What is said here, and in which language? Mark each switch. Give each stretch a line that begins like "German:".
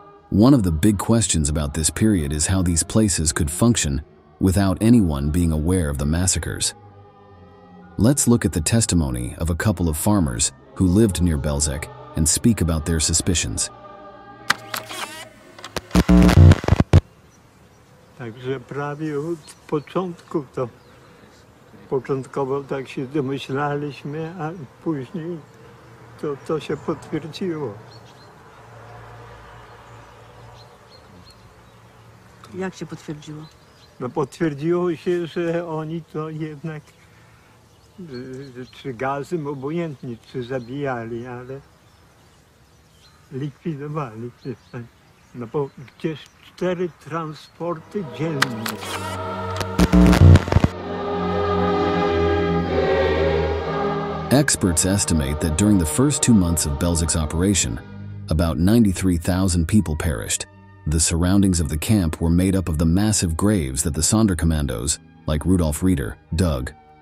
English: One of the big questions about this period is how these places could function without anyone being aware of the massacres. Let's look at the testimony of a couple of farmers who lived near Belzec and speak about their suspicions."
Polish: Także prawie od początku to... Początkowo tak się domyślaliśmy, a później to się potwierdziło. Jak się potwierdziło? No potwierdziło się, że oni to jednak, czy gazem obojętnie, czy zabijali, ale likwidowali. No bo gdzieś cztery transporty dziennie.
English: Experts estimate that during the first 2 months of Belzec's operation, about 93,000 people perished. The surroundings of the camp were made up of the massive graves that the Sonderkommandos, like Rudolf Rieder, dug.